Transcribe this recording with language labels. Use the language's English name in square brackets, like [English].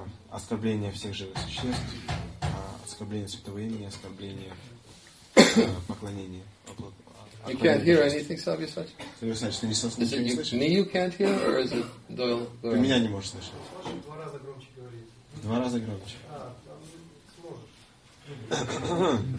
[Russian] Оскорбление всех живых существ, оскорбление святого имени, оскорбление поклонения. [English] You can't hear anything, Savyasachi? [Russian] Savyasachi, ты не слышишь? [English] Is it you, me you can't hear, or is it Doyle? [Russian] Ты меня не можешь слышать. В два раза громче говорить. В два раза громче.